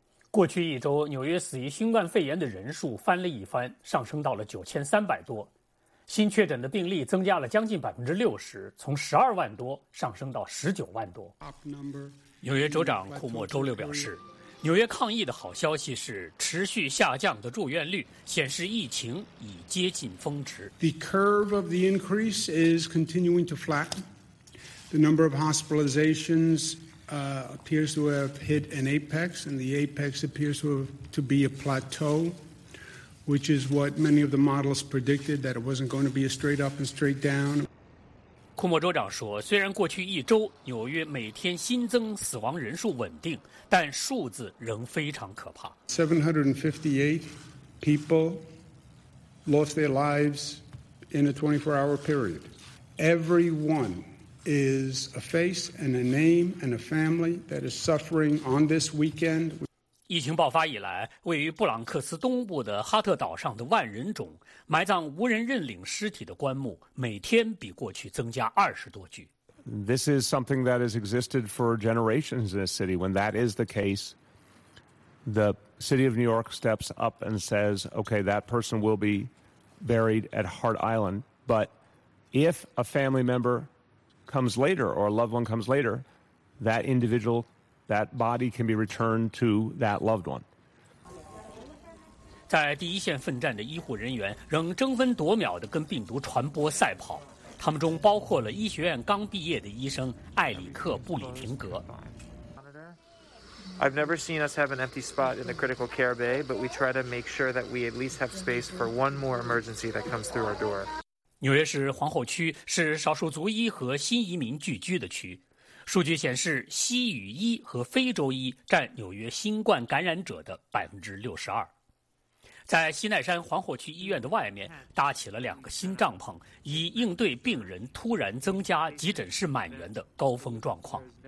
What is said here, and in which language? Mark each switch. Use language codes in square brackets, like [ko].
[zh] 过去一周，纽约死于新冠肺炎的人数翻了一番，上升到了9300多，新确诊的病例增加了将近60%，从12万多上升到19万多。纽约州长库莫周六表示，纽约抗疫的好消息是持续下降的住院率，显示疫情已接近峰值。 [en] The curve of the increase is continuing to flatten. The number of hospitalizations appears to have hit an apex, and the apex appears to be a plateau. Which is what many of the models predicted, that it wasn't going to be a straight up and straight down. [zh] 库莫州长说，虽然过去一周纽约每天新增死亡人数稳定，但数字仍非常可怕。 [en] 758 people lost their lives in a 24-hour period. Everyone is a face and a name and a family that is suffering on this weekend. [zh] 疫情爆发以来，位于布朗克斯东部的哈特岛上的万人冢，埋葬无人认领尸体的棺木每天比过去增加20多具。 [en] This is something that has existed for generations in this city. When that is the case, the city of New York steps up and says, okay, that person will be buried at Hart Island. But if a family member comes later or a loved one comes later, that individualThat body can be returned to that loved one. [zh] 在第一线奋战的医护人员仍争分夺秒地跟病毒传播赛跑，他们中包括了医学院刚毕业的医生艾里克·布里廷格。 [en] I've never seen us have an empty spot in the critical care bay, but we try to make sure that we at least have space for one more emergency that comes through our door. [zh] 纽约市皇后区是少数族裔和新移民聚居的区。数据显示，西语裔和非洲裔占纽约新冠感染者的62%。在西奈山皇后区医院的外面搭起了两个新帐篷，以应对病人突然增加、急诊室满员的高峰状况。